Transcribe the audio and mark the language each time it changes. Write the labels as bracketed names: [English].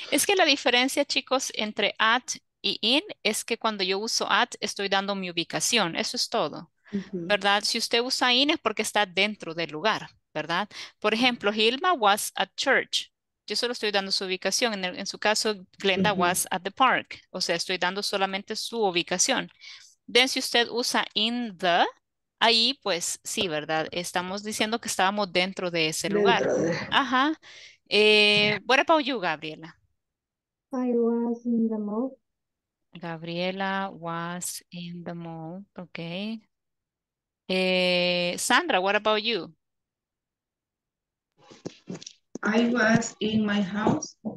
[Spanish] Es que la diferencia, chicos, entre at y in es que cuando yo uso at, estoy dando mi ubicación. Eso es todo. Mm-hmm. ¿Verdad? Si usted usa in es porque está dentro del lugar, ¿verdad? [English] Por ejemplo, Hilma was at church. [Spanish] Yo solo estoy dando su ubicación. En su caso, Glenda uh-huh. was at the park. O sea, estoy dando solamente su ubicación. Then, si usted usa in the, ahí, pues, sí, ¿verdad? Estamos diciendo que estábamos dentro de ese dentro lugar. De... Ajá. [English] What about you, Gabriela? I was in the mall. Gabriela was in the mall. Okay. Sandra, what about you? I was in my house.